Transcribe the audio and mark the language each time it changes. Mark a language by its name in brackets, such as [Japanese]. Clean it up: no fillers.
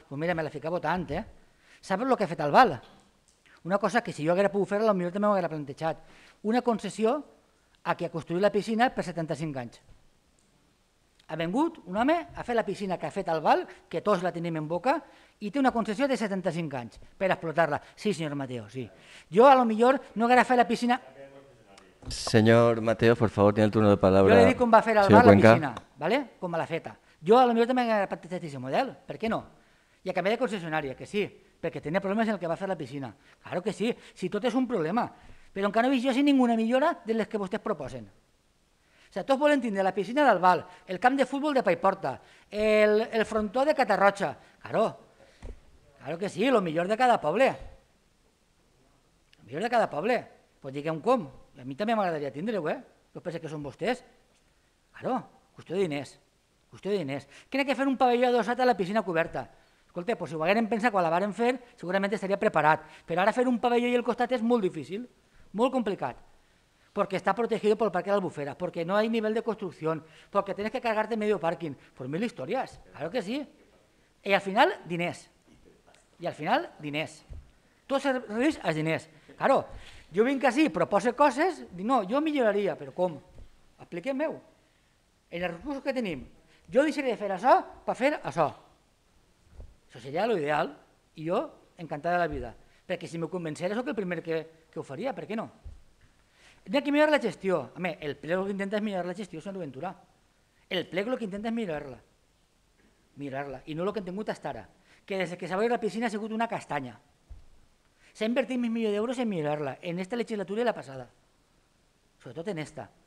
[Catalan] Pues mira, me la ficava tant, eh? Saps el que ha fet Albal? Una cosa que si jo haguera pogut fer, potser també m'ho haguera plantejat. Una concessió a qui ha construït la piscina per 75 anys. Ha vengut un home, ha fet la piscina que ha fet Albal, que tots la tenim en boca, i té una concessió de 75 anys per explotar-la. Sí, senyor Mateo, sí. Jo, a lo millor, no haguera fet la piscina... [Spanish] Senyor Mateo, por favor, tiene el turno de palabra. [Catalan] Jo li dic com va fer Albal la piscina, ¿vale? Com l'ha feta. Jo, a lo millor, també haguera patit aquest model, per què no? I a canvi de concessionària, que sí, perquè tenia problemes en el que va fer la piscina. Claro que sí, si tot és un problema, però encara no he vist jo [Spanish] sin ninguna [Catalan] millora de les que vostès proposen. O sigui, tots volen tindre la piscina d'Albal, el camp de futbol de Paiporta, el frontó de Catarroja. [Spanish] Claro que sí, [Catalan] el millor de cada poble. El millor de cada poble. Pues digueu com. A mi també m'agradaria tindre-ho, eh? Jo penso que són vostès. Claro, qüestió de diners. Qüestió de diners. Crec que fer un pavelló adossat a la piscina coberta. Escolta, pues si ho haguem pensat quan la varen fer, segurament estaria preparat. Però ara fer un pavelló i al costat és molt difícil, molt complicat. [Spanish] Porque está protegido por el parque de Albufera, porque no hay nivel de construcción, porque tienes que cargarte medio parking. Pues mil historias, claro que sí. Y al final, diners. Y al final, diners. Todo se reduce a diners. Claro, yo vinc así, propose cosas, no, yo milloraría, pero ¿cómo? Explíquenme. En los recursos que tenemos, yo deixaré de hacer eso para hacer eso. Eso sería lo ideal y yo encantada de la vida. Porque si me convenciera, soy el primer que lo haría, ¿por qué no? [Catalan] Hi ha que millorar la gestió. Home, el plec el que intenta és millorar la gestió, senyor Ventura. El plec el que intenta és millorar-la. Millorar-la. I no el que hem tingut fins ara. Que des que s'ha obert la piscina ha sigut una castanya. S'ha invertit 1 milió d'euros en millorar-la, en aquesta legislatura i la passada. Sobretot en aquesta.